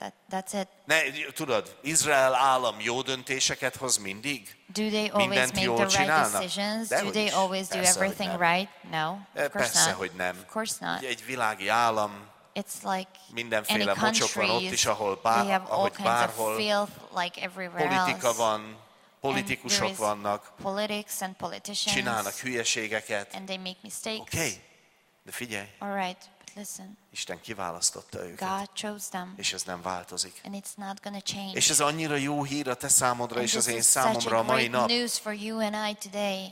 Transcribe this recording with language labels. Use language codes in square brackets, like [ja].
[en] That's it. [hu] Ne, tudod, Izrael állam jó döntéseket hoz mindig. [en] Do they always make the right decisions? Do they always do everything right? No, of course not. [hu] Persze, hogy nem. [en] Of course not. [hu] Egy világi állam. [en] It's like [hu] mindenféle mocsok van ott is, ahol bárhol. [en] They have all kinds of filth like everywhere [hu] else. Politika van. Politikusok vannak. [en] Politics and politicians. [hu] Csinálnak hülyeségeket. [en] And they make mistakes. [hu] Okay. De figyelj. [en] All right, listen. [hu] Isten kiválasztotta őket. [en] God chose them. [hu] És ez nem változik. [en] And it's not gonna change. [hu] És ez annyira jó hír a te számodra és az én számomra a mai nap. [en] News for you and I today.